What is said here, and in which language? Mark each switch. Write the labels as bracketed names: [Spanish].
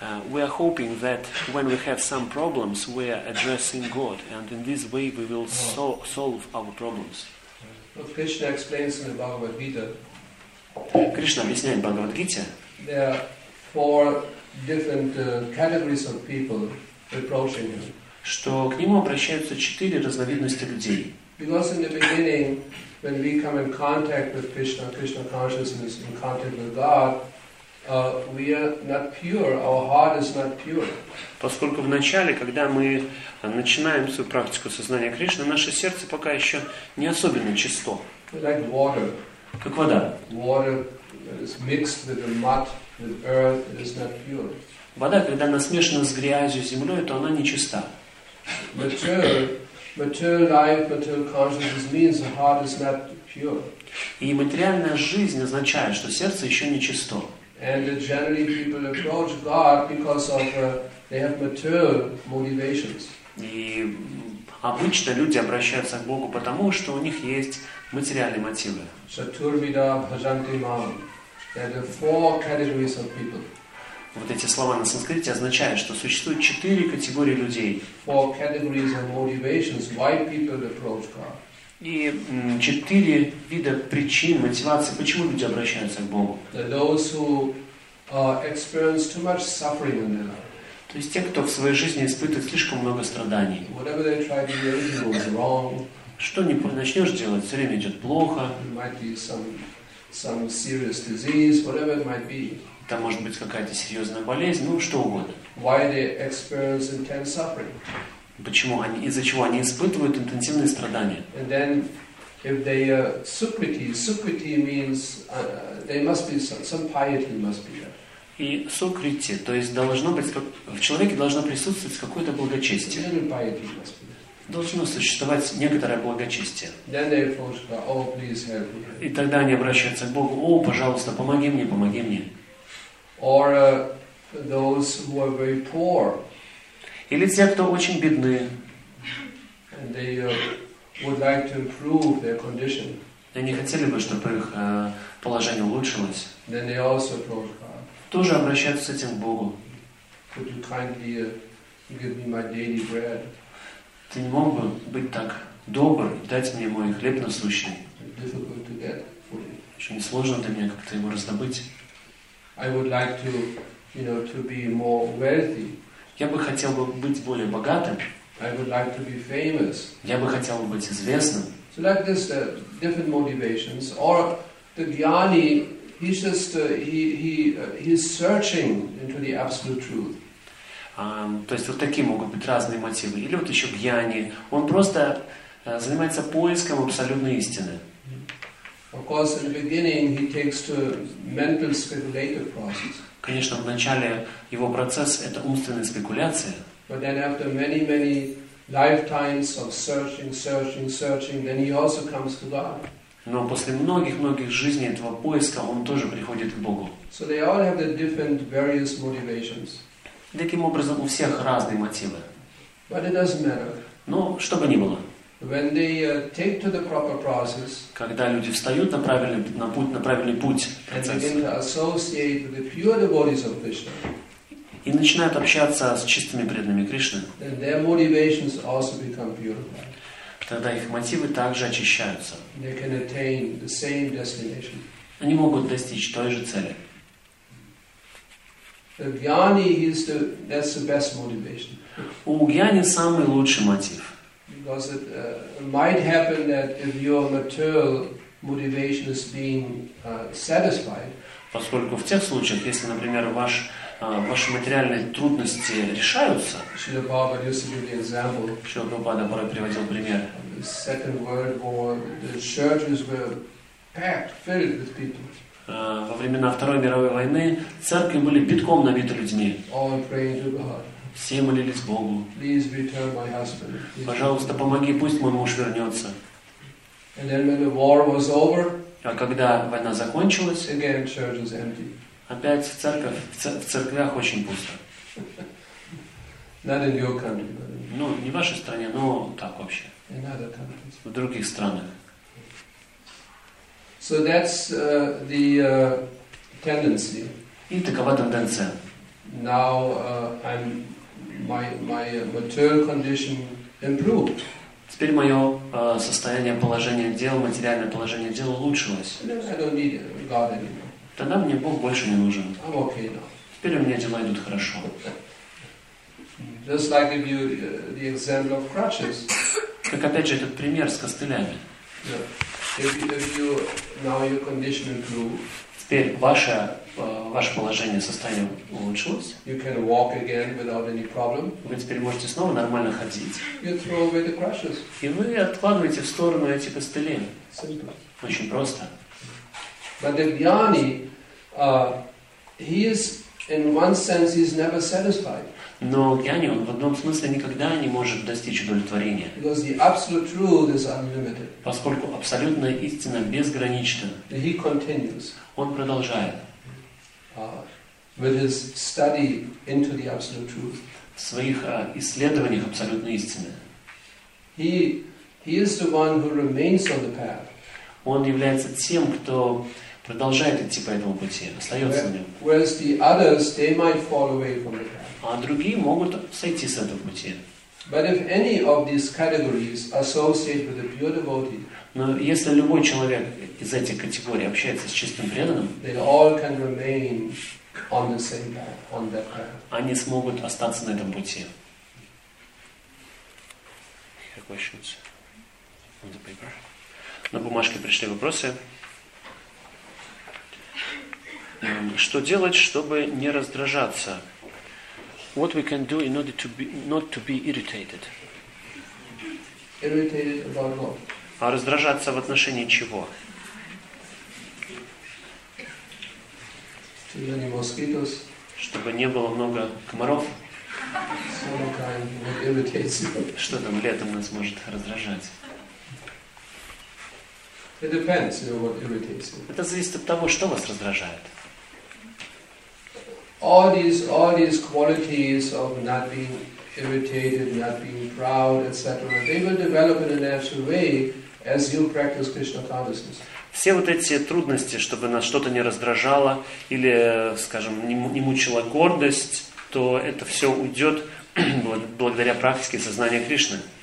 [English] We are hoping that when we have some problems, we are addressing God, and in this way we will solve our problems. Well, Krishna explains in the Bhagavad Gita. [Russian] Krishna объясняет в Бхагавад Гите. [English] There are four different categories of people approaching him. [Russian] Что к нему обращаются четыре разновидности людей. [English] Because in the beginning, when we come in contact with Krishna, Krishna consciousness in contact with God, we are not pure. Our heart is not pure. [Russian] Поскольку в начале, когда мы начинаем свою практику сознания Кришны, наше сердце пока еще не особенно чисто. [English] Like water. [Russian] Как вода. [English] Water is mixed with the mud, with earth. It is not pure. [Russian] Вода, когда она смешана с грязью, землей, то она не чиста. [English] Material life, material consciousness means the heart is not pure. [Russian] И материальная жизнь означает, что сердце еще не чисто. [English] And generally people approach God because of they have material motivations. [Russian] И обычно люди обращаются к Богу потому, что у них есть материальные мотивы. [Sanskrit] Chaturvida bhajanti mam. [English] There are four categories of people. [Russian] Вот эти слова на санскрите означают, что существует четыре категории людей. [English] Four categories of motivations why people approach God. [Russian] И четыре вида причин, мотивации, почему люди обращаются к Богу. [English] Those who experience too much suffering in their life. [Russian] То есть те, кто в своей жизни испытывает слишком много страданий. [English] Whatever they try to do, it goes wrong. [Russian] Что не начнешь делать, все время идет плохо. [English] It might be some serious disease, whatever it might be. [Russian] Там может быть какая-то серьезная болезнь, ну что угодно. [English] Why they experience intense suffering? [Russian] Почему они, из-за чего они испытывают интенсивные страдания? [English] And then, if they sukriti means they must be some piety must be there. [Russian] И сукрити, то есть должно быть в человеке должно присутствовать какое-то благочестие. [English] Then piety must be there. [Russian] Должно существовать некоторое благочестие. [English] Then they approach God, oh please help me. [Russian] И тогда они обращаются к Богу, о, пожалуйста, помоги мне, помоги мне. [English] Or those who are very poor. [Russian] Или те, кто очень бедны. [English] And they would like to improve their condition. [Russian] Они хотели бы, чтобы их положение улучшилось. [English] Then they also approach God. [Russian] Тоже обращаются с этим к Богу. [English] Could you kindly give me my daily bread? [Russian] Ты не мог бы быть так добр, дать мне мой хлеб насущный? [English] Difficult to get. [Russian] что несложно для меня как-то его раздобыть. [English] I would like to, you know, to be more wealthy. [Russian] Я бы хотел бы быть более богатым. [English] I would like to be famous. [Russian] Я бы хотел бы быть известным. [English] So like this, different motivations. Or the jnani, he's just he's searching into the absolute truth. [Russian] То есть вот такие могут быть разные мотивы. Или вот еще гьяни, он просто занимается поиском абсолютной истины. [English] Of course, in the beginning, he takes to mental speculative process. [Russian] Конечно, в начале его процесс — это умственная спекуляция. [English] But then after many, many lifetimes of searching, then he also comes to God. [Russian] Но после многих-многих жизней этого поиска он тоже приходит к Богу. [English] So they all have the different various motivations. [Russian] Таким образом, у всех разные мотивы. [English] But it doesn't matter. [Russian] Но что бы ни было. [English] When they take to the proper process, [Russian] когда люди встают на правильный путь, [English] and begin to associate with the pure devotees of Krishna, [Russian] и начинают общаться с чистыми преданными Кришны, [English] then their motivations also become purified. [Russian] Тогда их мотивы также очищаются. [English] They can attain the same destination. [Russian] Они могут достичь той же цели. [English] The jnani is the that's the best motivation. [Russian] У гьяни самый лучший мотив. [English] Because it might happen that if your material motivation is being satisfied, [Russian] поскольку в тех случаях, если, например, ваши материальные трудности решаются, [English] Шрила Прабхупада used to give the example. [Russian] Шрила Прабхупада порой приводил пример. [English] The Second World War, the churches were packed, filled with people. [Russian] Во времена Второй мировой войны церкви были битком набиты людьми. [English] All praying to God. [Russian] Все молились Богу. [English] Please return my husband. [Russian] Пожалуйста, помоги, пусть мой муж вернется. [English] And then when the war was over, [Russian] а когда война закончилась, [English] again church is empty. [Russian] Опять в церквях очень пусто. [English] Not in your country, but [Russian] ну, не в вашей стране, но так вообще. [English] In other countries. [Russian] В других странах. [English] So that's the tendency. [Russian] И такова тенденция. [English] Now my material condition improved. [Russian] Теперь мое состояние, положение дел, материальное положение дел улучшилось. [English] I don't need God anymore. [Russian] Тогда мне Бог больше не нужен. [English] I'm okay now. [Russian] Теперь у меня дела идут хорошо. [English] Just like give you the example of crutches. [Russian] Как опять же этот пример с костылями. [English] Yeah. If you now your condition improved. [Russian] Теперь ваше положение, состояние улучшилось. [English] You can walk again without any problem. [Russian] Вы теперь можете снова нормально ходить. [English] You throw away the crutches. [Russian] И вы откладываете в сторону эти костыли. [English] Simple. [Russian] Очень просто. [English] But the jnani, he is, in one sense, he is never satisfied. [Russian] Но гьяни, он в одном смысле никогда не может достичь удовлетворения. [English] Because the absolute truth is unlimited. [Russian] Поскольку абсолютная истина безгранична. [English] He continues. [Russian] Он продолжает. [English] With his study into the absolute truth. [Russian] В своих исследованиях абсолютной истины. [English] He is the one who remains on the path. [Russian] Он является тем, кто продолжает идти по этому пути, остается на нем. [English] Whereas the others, they might fall away from the path. [Russian] А другие могут сойти с этого пути. [English] But if any of these categories associate with the pure devotee. [Russian] Но если любой человек из этих категорий общается с чистым преданным, [English] they all can remain on the same path, on that path. [Russian] Они смогут остаться на этом пути. [English] Here questions on the paper. [Russian] На бумажке пришли вопросы. Что делать, чтобы не раздражаться? [English] What we can do in order to be not to be irritated? Irritated about what? [Russian] А раздражаться в отношении чего? [English] Too many mosquitoes. [Russian] Чтобы не было много комаров. [English] Some kind of irritates you. [Russian] Что там летом нас может раздражать? [English] It depends, you know, what irritates you. [Russian] Это зависит от того, что вас раздражает. [English] All these qualities of not being irritated, not being proud, etc. They will develop in a natural way as you practice Krishna consciousness. [Russian] Все вот эти трудности, чтобы нас что-то не раздражало или, скажем, не мучила гордость, то это все уйдет благодаря практике сознания Кришны.